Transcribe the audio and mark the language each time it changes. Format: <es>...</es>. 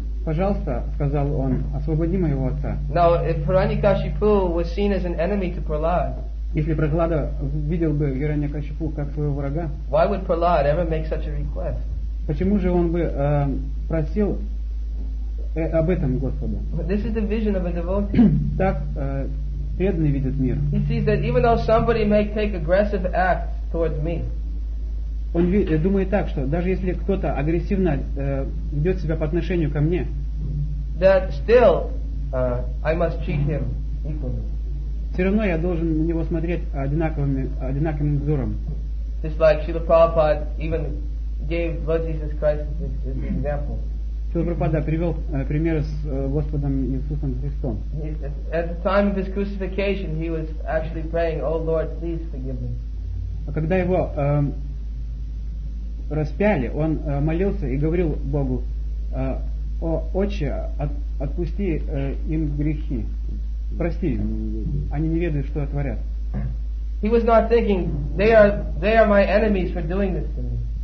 <ru>Пожалуйста, сказал он, освободи моего отца.</ru> <en>Now, if Hiranyakashipu was seen as an enemy to Prahlad,</en> <ru>если Прохлада видел бы Хираньякашипу как своего врага,</ru> <en>why would Prahlad ever make such a request?</en> <ru>Почему же он бы просил об этом Господа?</ru> <en>This is the vision of a devotee.</en> <ru>Так преданный видит мир.</ru> <en>He sees that even though somebody may take aggressive acts towards me,</en> <ru>он думает так, что даже если кто-то агрессивно ведет себя по отношению ко мне,</ru> <en>that still, I must treat him equally.</en> <ru>Все равно я должен на него смотреть одинаковым взором.</ru> <en>Just like Srila Prabhupada even gave Lord Jesus Christ his example.</en> <ru>Шрила Прабхупада привел пример с Господом Иисусом Христом.</ru> <en>At the time of his crucifixion, he was actually praying, "Oh Lord, please forgive me."</en> <ru>А когда его распяли, он молился и говорил Богу: «О, Отче, отпусти им грехи, прости им, они не ведают, что творят».</ru> <en>He was not thinking, they are my enemies for doing this to me.</en>